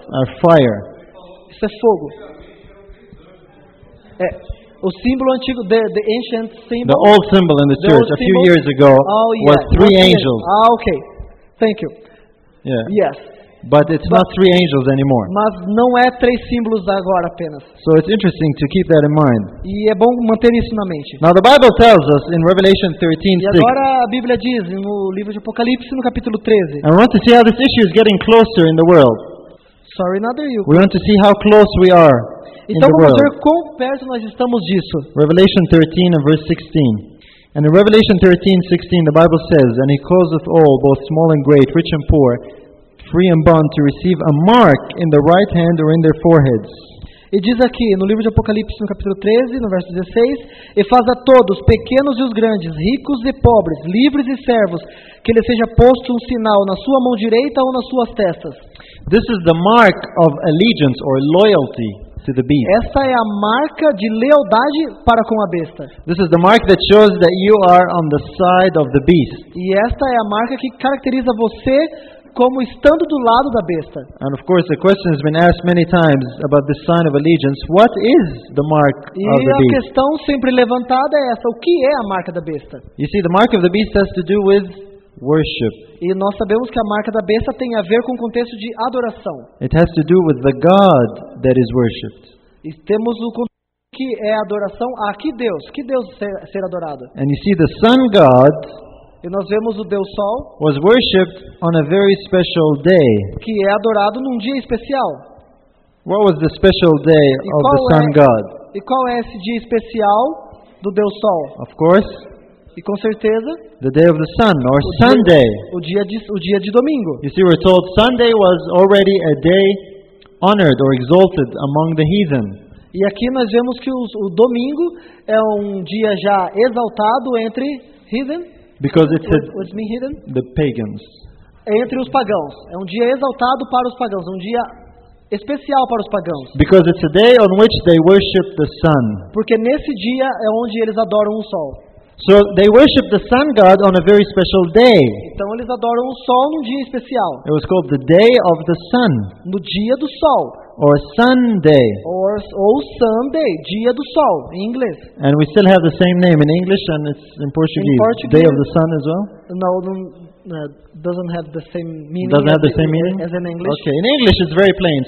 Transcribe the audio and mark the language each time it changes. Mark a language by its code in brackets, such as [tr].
[en] Are fire. [pt] Isso é fogo. É. O símbolo antigo, [en] the ancient symbol. The old symbol in the church a few years ago was three angels. Ah, okay. Thank you. Yeah. Yes. But it's not three angels anymore. [pt] Mas não é três símbolos agora apenas. [en] So it's interesting to keep that in mind. [pt] E é bom manter isso na mente. [en] Now the Bible tells us in Revelation 13:6. [pt] E agora a Bíblia diz no livro de Apocalipse no capítulo 13. [en] And we want to see how this issue is getting closer in the world. Sorry, another you. We want to see how close we are. [pt] Então vamos ver quão perto nós estamos disso. [en] Revelation 13 and verse 16. And in Revelation 13, 16, the Bible says, And he causeth all, both small and great, rich and poor, free and bond, to receive a mark in their right hand or in their foreheads. [pt] E diz aqui no livro de Apocalipse, no capítulo 13, no verso 16: e faz a todos, pequenos e os grandes, ricos e pobres, livres e servos, que lhe seja posto um sinal na sua mão direita ou nas suas testas. [en] This is the mark of allegiance or loyalty to the beast. [pt] Essa é a marca de lealdade para com a besta. [en] This is the mark that shows that you are on the side of the beast. [pt] E esta é a marca que caracteriza você como estando do lado da besta. [en] And of course, the question has been asked many times about the sign of allegiance. What is the mark of the beast? [pt] E a questão sempre levantada é essa: o que é a marca da besta? [en] You see, the mark of the beast has to do with worship. [pt] E nós sabemos que a marca da besta tem a ver com o contexto de adoração. [en] It has to do with the God that is worshipped. [pt] E temos o contexto que é adoração a que Deus? Que Deus ser adorado? [en] And you see, the sun God. [pt] E nós vemos o Deus Sol. [en] Was worshipped on a very special day. [pt] Que é adorado num dia especial. [en] What was the special day of the sun God? [pt] E qual é esse dia especial do Deus Sol? [en] Of course. [pt] E com certeza. [en] The day of the sun or Sunday. [pt] O dia de domingo. [en] You see, we're told Sunday was already a day honored or exalted among the heathen. [pt] E aqui nós vemos que o domingo é um dia já exaltado entre heathen. [en] Because it's the pagans. [pt] Entre os pagãos. É um dia exaltado para os pagãos. Um dia especial para os pagãos. [en] Because it's a day on which they worship the sun. [pt] Porque nesse dia é onde eles adoram o sol. [en] So they worship the sun god on a very special day. [pt] Então eles adoram o sol num dia especial. [en] It was called the day of the sun. [pt] No dia do sol. [en] Or Sunday. Or Sunday, [pt] dia do sol, em inglês. [en] And we still have the same name in English and it's in Portuguese. In Portuguese. Day of the sun as well? No, doesn't have the same meaning. Doesn't have the same meaning as in English. Okay, in English it's very plain.